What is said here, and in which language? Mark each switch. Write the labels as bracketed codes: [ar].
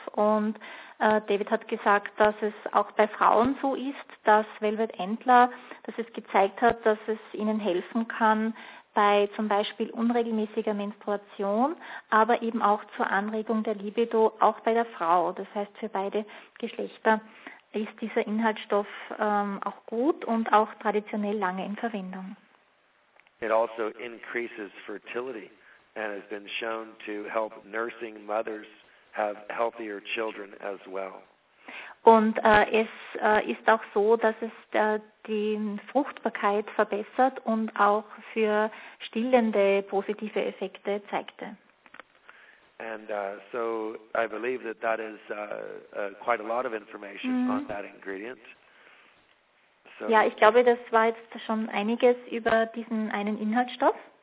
[de] Und David hat gesagt, dass es auch bei Frauen so ist, dass Velvet Antler, dass es gezeigt hat, dass es ihnen helfen kann, bei zum Beispiel unregelmäßiger Menstruation, aber eben auch zur Anregung der Libido, auch bei der Frau. Das heißt, für beide Geschlechter ist dieser Inhaltsstoff auch gut und auch traditionell lange in Verwendung. [en] It also increases fertility and has been shown to help nursing mothers have healthier children as well. [de] Und es ist auch so, dass es die Fruchtbarkeit verbessert und auch für stillende positive Effekte zeigte. [en] And so I believe that that is quite a lot of information on that ingredient. [de] So, ja, ich glaube, das war jetzt schon einiges über diesen einen Inhaltsstoff.